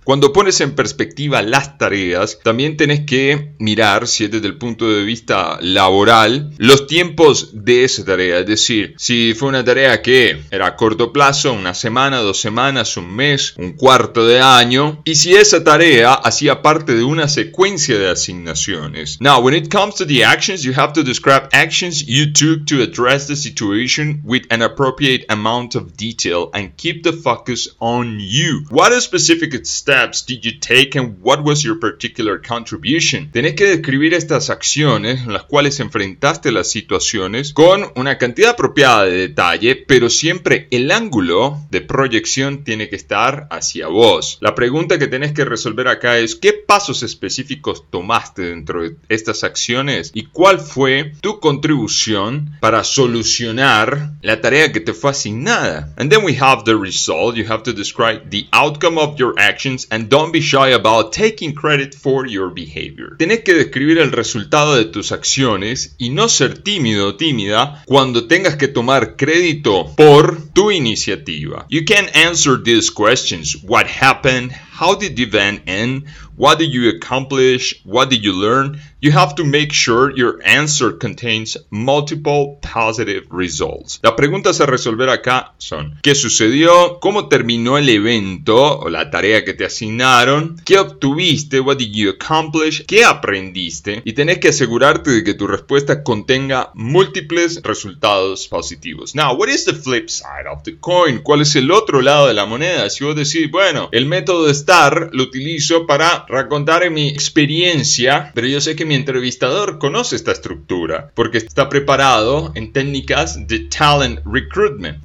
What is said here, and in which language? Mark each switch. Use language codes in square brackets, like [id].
[es] Cuando pones en perspectiva las tareas, también tenés que mirar, si es desde el punto de vista laboral, los tiempos de esa tarea. Es decir, si fue una tarea que era a corto plazo, una semana, dos semanas, un mes, un cuarto de año, y si esa tarea hacía parte de una secuencia de asignaciones. [en] Now, when it comes to the actions, you have to describe actions you took to address the situation with an appropriate amount of detail and keep the focus on you. What specific steps did you take and what was your particular contribution? [es] Tenés que describir estas acciones en las cuales enfrentaste las situaciones con una cantidad apropiada de detalle, pero siempre el ángulo de proyección tiene que estar hacia vos. La pregunta que tenés que resolver acá es ¿qué pasos específicos tomaste dentro de estas acciones? ¿Y cuál fue tu contribución para solucionar la tarea que te fue asignada? [en] And then we have the result. You have to describe the outcome of your actions and don't be shy about taking credit for your behavior. [es] Tenés que describir el resultado de tus acciones y no ser tímido o tímida cuando tengas que tomar crédito por tu iniciativa. [en] You can answer these questions. What happened? How did the event end? What did you accomplish? What did you learn? You have to make sure your answer contains multiple positive results. [es] Las preguntas a resolver acá son ¿qué sucedió? ¿Cómo terminó el evento o la tarea que te asignaron? ¿Qué obtuviste? [en] What did you accomplish? [es] ¿Qué aprendiste? Y tenés que asegurarte de que tu respuesta contenga múltiples resultados positivos. [en] Now, what is the flip side of the coin? [es] ¿Cuál es el otro lado de la moneda? Si vos decís, bueno, el método de STAR lo utilizo para recontar mi experiencia, pero yo sé que mi entrevistador conoce esta estructura porque está preparado en técnicas de talent recruitment.